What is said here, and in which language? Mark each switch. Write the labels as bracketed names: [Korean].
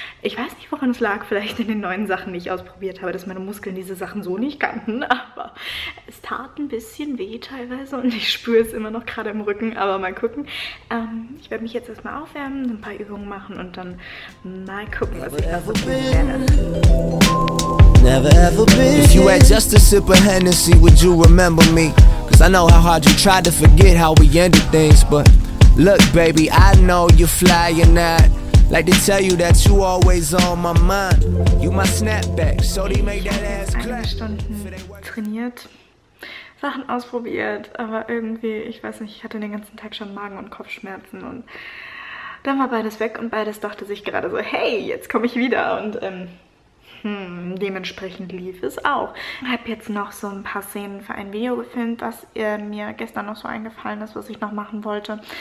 [German] Ich weiß nicht, woran es lag, vielleicht in den neuen Sachen, die ich ausprobiert habe, dass meine Muskeln diese Sachen so nicht kannten. Aber es tat ein bisschen weh teilweise und ich spüre es immer noch gerade im Rücken, aber mal gucken. Ich werde mich jetzt erstmal aufwärmen, ein paar Übungen machen und dann mal gucken, was ich da so tun werde. [English] If you had just a sip of Hennessy, would you remember me? Cause I know how hard you tried to forget how we ended things, but look baby, I know you're flying out. Like to tell you that you always on my mind. You my snapback. So they make that ass clash. [German] Trainiert, Sachen ausprobiert, aber irgendwie, ich weiß nicht, ich hatte den ganzen Tag schon Magen- und Kopfschmerzen und dann war beides weg und beides dachte sich gerade so, hey, jetzt komme ich wieder und dementsprechend lief es auch. Ich habe jetzt noch so ein paar Szenen für ein Video gefilmt, was mir gestern noch so eingefallen ist, was ich noch machen wollte.